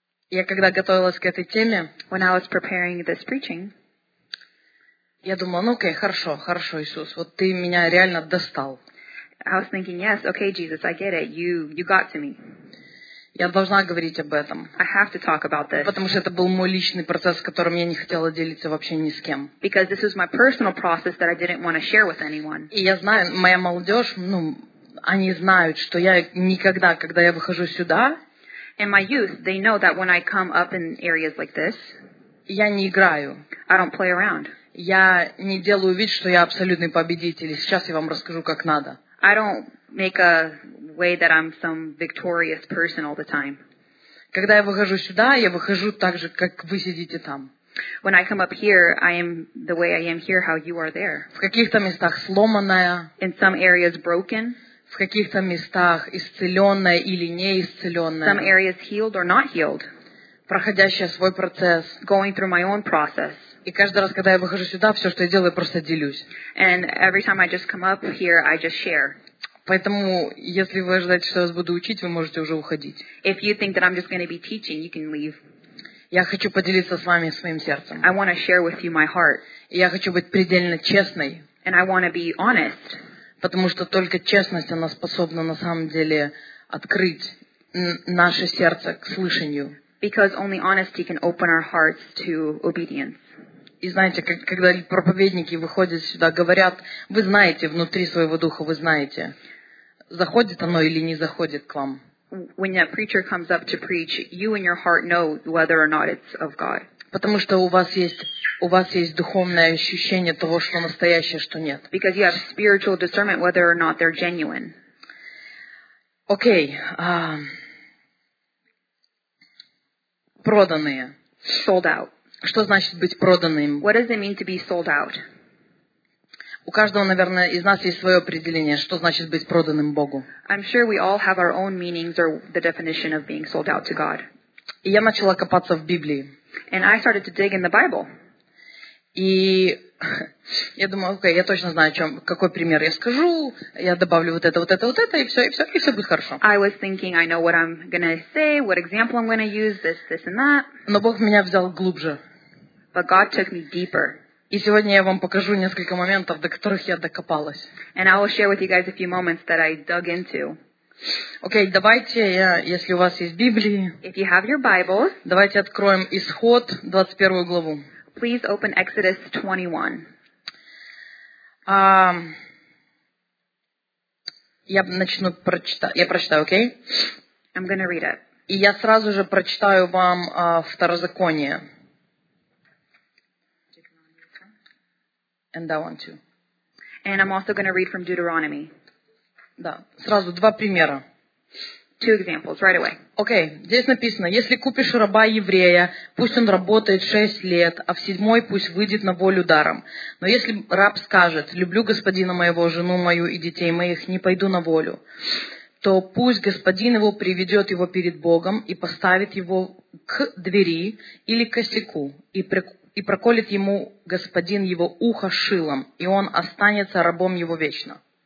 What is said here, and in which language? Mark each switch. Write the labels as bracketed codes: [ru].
[ru] Я когда готовилась к этой теме, [en] when I was preparing this preaching, [ru] я думала, ну окей, хорошо, хорошо, Иисус, вот ты меня реально достал. [en] I was thinking, yes, okay, Jesus, I get it, you got to me. [ru] Я должна говорить об этом. [en] I have to talk about this. [ru] Потому что это был мой личный процесс, которым я не хотела делиться вообще ни с кем. [en] Because this was my personal process that I didn't want to share with anyone. [ru] И я знаю, моя молодежь, ну, они знают, что я никогда, когда я выхожу сюда, [en] in my youth, they know that when I come up in areas like this, [ru] я не играю. [en] I don't play around. [ru] Я не делаю вид, что я абсолютный победитель. И сейчас я вам расскажу, как надо. [en] I don't make a way that I'm some victorious person all the time. [ru] Когда я выхожу сюда, я выхожу так же, как вы сидите там. [en] When I come up here, I am the way I am here, how you are there. [ru] В каких-то местах сломанная. [en] In some areas broken. [ru] В каких-то местах исцеленная или неисцеленная. [en] Some areas healed or not healed. [ru] Проходящая свой процесс. [en] Going through my own process. [ru] И каждый раз, когда я выхожу сюда, все, что я делаю, я просто делюсь. [en] And every time I just come up here, I just share. [ru] Поэтому, если вы ожидаете, что я вас буду учить, вы можете уже уходить. [en] If you think that I'm just going to be teaching, you can leave. [ru] Я хочу поделиться с вами своим сердцем. [en] I want to share with you my heart. [ru] И я хочу быть предельно честной. [en] And I want to be honest. [ru] Потому что только честность, она способна на самом деле открыть наше сердце к слышанию. [en] Because only honesty can open our hearts to obedience. [ru] И знаете, когда проповедники выходят сюда, говорят, вы знаете, внутри своего духа вы знаете, заходит оно или не заходит к вам. [en] When that preacher comes up to preach, you in your heart know whether or not it's of God. [ru] Потому что у вас есть духовное ощущение того, что настоящее, что нет. [en] Because you have spiritual discernment whether or not they're genuine. [ru] Окей. Проданные. [en] Sold out. [ru] Что значит быть проданным? [en] What does it mean to be sold out? [ru] У каждого, наверное, из нас есть свое определение, что значит быть проданным Богу. [en] I'm sure we all have our own meanings or the definition of being sold out to God. [ru] И я начала копаться в Библии. [en] And I started to dig in the Bible. [ru] И я думаю, окей, я точно знаю, какой пример я скажу, я добавлю вот это, вот это, вот это, и все будет хорошо. [en] I was thinking, I know what I'm going to say, what example I'm going to use, this and that. [ru] Но Бог меня взял глубже. [en] But God took me deeper. [ru] И сегодня я вам покажу несколько моментов, до которых я докопалась. [en] And I will share with you guys a few moments that I dug into. [ru] Окей, давайте, если у вас есть Библии, [en] if you have your Bibles, [ru] давайте откроем Исход, 21 главу. [en] Please open Exodus 21. [ru] Я начну прочитать. Я прочитаю, окей? [en] Okay? I'm going to read it. [ru] И я сразу же прочитаю вам Второзаконие. [en] And that one too. And I'm also going to read from Deuteronomy. [ru] Да, сразу два примера. [en] two examples right away. [ru] Okay, здесь написано, если купишь раба еврея, пусть он работает 6 лет, а в 7-й пусть выйдет на волю даром. Но если раб скажет, люблю господина моего, жену мою и детей моих, не пойду на волю, то пусть господин его приведет его перед Богом и поставит его к двери или косяку, и проколет ему господин его ухо шилом, и он останется рабом его вечно.